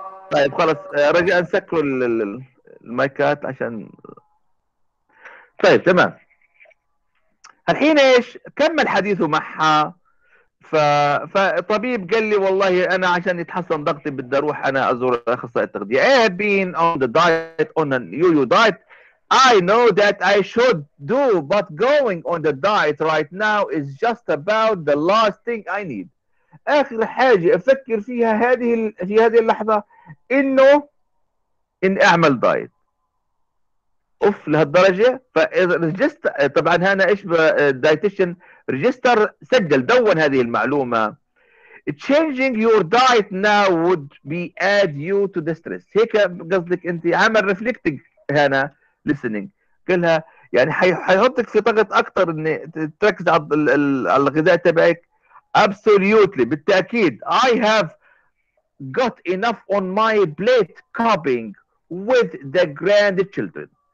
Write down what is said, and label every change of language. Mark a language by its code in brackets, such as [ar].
[ar] طيب خلاص رجع نسكر المايكات عشان طيب تمام. الحين ايش؟ كمل حديثه معها، فطبيب قال لي والله انا عشان يتحسن ضغطي بدي اروح انا ازور اخصائي التغذيه. [en] I have been on the diet on a yo-yo diet. I know that I should do, but going on the diet right now is just about the last thing I need. [ar] اخر حاجه افكر فيها هذه في هذه اللحظه انه ان اعمل دايت. اوف لهالدرجه. طبعا هنا ايش دايتيشن ريجستر سجل دون هذه المعلومه. [en] changing your diet now would be add you to the stress. [ar] هيك قصدك انت عامل ريفلكتنج هنا listening، قالها يعني حيحطك في ضغط اكثر ان تركز على الغذاء تبعك. absolutely بالتاكيد. [en] I have got enough on my plate coping with the grandchildren.